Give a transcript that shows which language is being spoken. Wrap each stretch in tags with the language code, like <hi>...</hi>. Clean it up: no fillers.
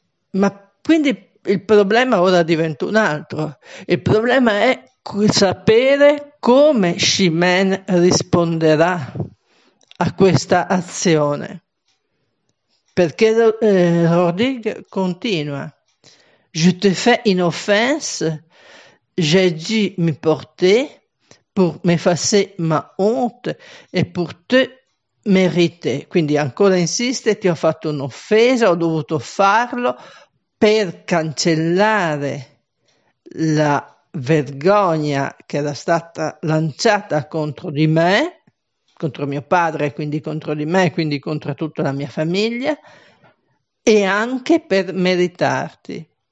<it>Ma quindi il problema ora diventa un altro. Il problema è sapere come Shimen risponderà a questa azione. Perché Rodrigue continua.</it> <fr>Je te fais une offense, j'ai dû me porter pour m'effacer ma honte et pour te mériter.</fr> <it>Quindi ancora insiste, ti ho fatto un'offesa, ho dovuto farlo per cancellare la vergogna che era stata lanciata contro di me, contro mio padre, quindi contro di me, quindi contro tutta la mia famiglia, e anche per meritarti.</it>